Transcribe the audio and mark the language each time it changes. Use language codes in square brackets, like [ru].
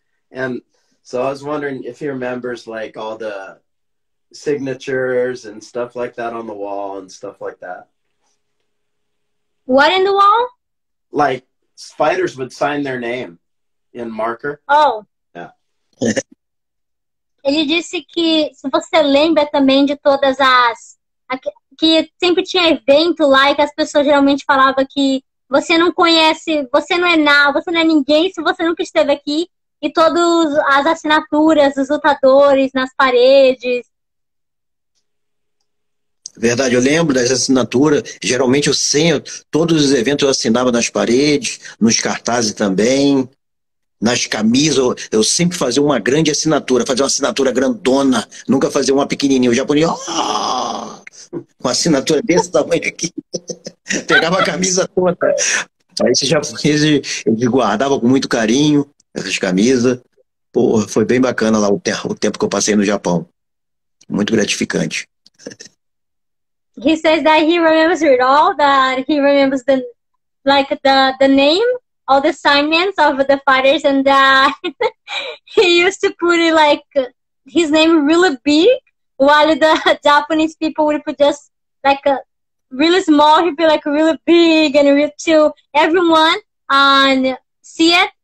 [en] And so I was wondering if he remembers like all the signatures and stuff like that on the wall and stuff like that. What in the wall? Like spiders would sign their name in marker. Oh. Yeah. [pt] Ele disse que se você lembra também de todas as... Que sempre tinha evento lá e que as pessoas geralmente falavam que você não conhece, você não é nada, você não é ninguém se você nunca esteve aqui. E todas as assinaturas dos lutadores nas paredes. Verdade, eu lembro das assinaturas. Geralmente eu sento, todos os eventos eu assinava nas paredes, nos cartazes também. Nas camisas, eu sempre fazia uma grande assinatura, fazia uma assinatura grandona, nunca fazia uma pequenininha. O japonês, oh, com assinatura desse tamanho aqui, pegava a camisa toda. Aí esse japonês, ele guardava com muito carinho essas camisas. Pô, foi bem bacana lá o tempo que eu passei no Japão. Muito gratificante. [en] He says that he remembers it all, that he remembers the name, all the assignments of the fighters, and he used to put it like his name really big, while the Japanese people would put just like a really small, he'd be like really big and real to everyone and see it.